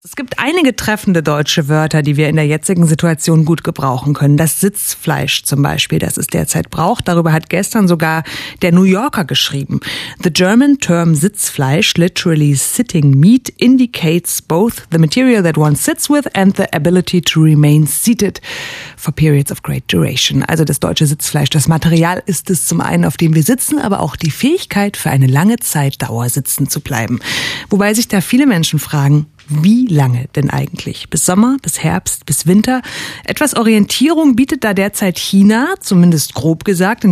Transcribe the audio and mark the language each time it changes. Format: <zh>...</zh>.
<de>Es gibt einige treffende deutsche Wörter, die wir in der jetzigen Situation gut gebrauchen können. Das Sitzfleisch zum Beispiel, das es derzeit braucht. Darüber hat gestern sogar der New Yorker geschrieben.</de> <en>The German term Sitzfleisch, literally sitting meat, indicates both the material that one sits with and the ability to remain seated for periods of great duration.</en> <de>Also das deutsche Sitzfleisch, das Material ist es zum einen, auf dem wir sitzen, aber auch die Fähigkeit, für eine lange Zeitdauer sitzen zu bleiben. Wobei sich da viele Menschen fragen, wie lange denn eigentlich? Bis Sommer, bis Herbst, bis Winter? Etwas Orientierung bietet da derzeit China, zumindest grob gesagt.</de>